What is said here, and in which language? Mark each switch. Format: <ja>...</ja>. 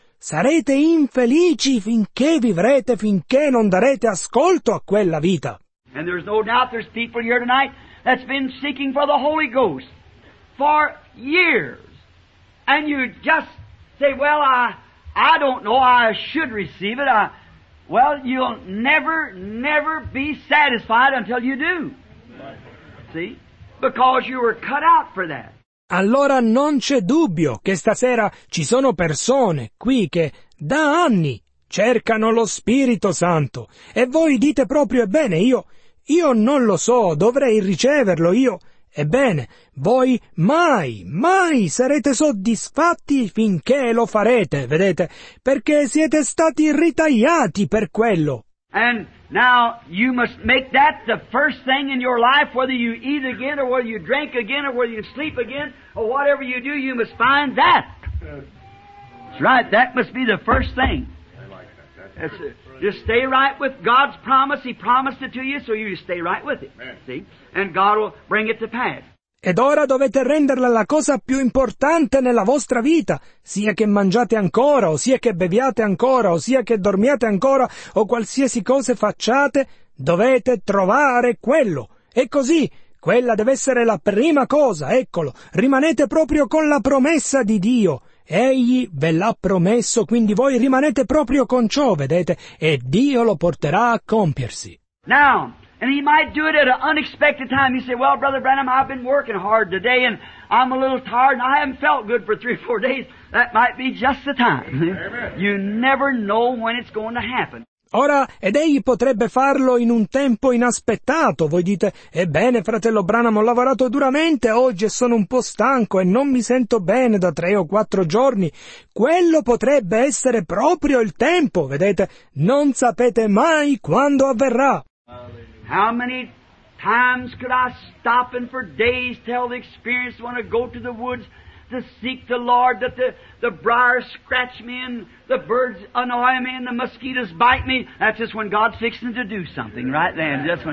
<it>Sarete infelici finché vivrete, finché non darete ascolto a quella vita.</it> <en>And there's no doubt there's people here tonight that's been seeking for the Holy Ghost for years. And you just say, well, I don't know, I should receive it. Well, you'll never, never be satisfied until you do. See? Because you were cut out for that.</en> <it>Allora non c'è dubbio che stasera ci sono persone qui che da anni cercano lo Spirito Santo. E voi dite proprio, ebbene, io non lo so, dovrei riceverlo io. Ebbene, voi mai, mai sarete soddisfatti finché lo farete, vedete? Perché siete stati ritagliati per quello.</it> <en>And now you must make that the first thing in your life, whether you eat again or whether you drink again or whether you sleep again or whatever you do, you must find that. That's right, that must be the first thing. Just stay right with God's promise. He promised it to you, so you stay right with it. Amen. See? And God will bring it to pass.</en> <it>Ed ora dovete renderla la cosa più importante nella vostra vita, sia che mangiate ancora, o sia che beviate ancora, o sia che dormiate ancora, o qualsiasi cosa facciate, dovete trovare quello. E così, quella deve essere la prima cosa, eccolo, rimanete proprio con la promessa di Dio. Egli ve l'ha promesso, quindi voi rimanete proprio con ciò, vedete, e Dio lo porterà a compiersi.</it> <en>Now, and he might do it at an unexpected time. He said, well, Brother Branham, I've been working hard today, and I'm a little tired, and I haven't felt good for 3 or 4 days. That might be just the time. Amen. You never know when it's going to happen.</en> <it>Ora, ed egli potrebbe farlo in un tempo inaspettato. Voi dite, ebbene, fratello Branham, ho lavorato duramente oggi e sono un po' stanco e non mi sento bene da 3 o 4 giorni. Quello potrebbe essere proprio il tempo, vedete? Non sapete mai quando avverrà.</it> <en>How many times could I stop and for days tell the experience when I go to the woods to seek the Lord, that the briars scratch me and the birds annoy me and the mosquitoes bite me? That's just when God's fixing to do something right then.</en>